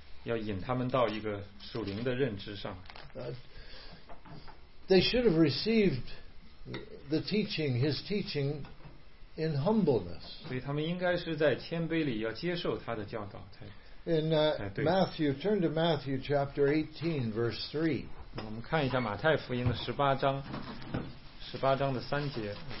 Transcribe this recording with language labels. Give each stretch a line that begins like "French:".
Chinese: 要引他们到一个属灵的认知上。
English: They should have received the teaching, his teaching, in humbleness.
Chinese: 所以他们应该是在谦卑里要接受他的教导才。
English: In Matthew, turn to Matthew chapter 18, verse 3.
Chinese: 我们看一下马太福音的十八章的三节。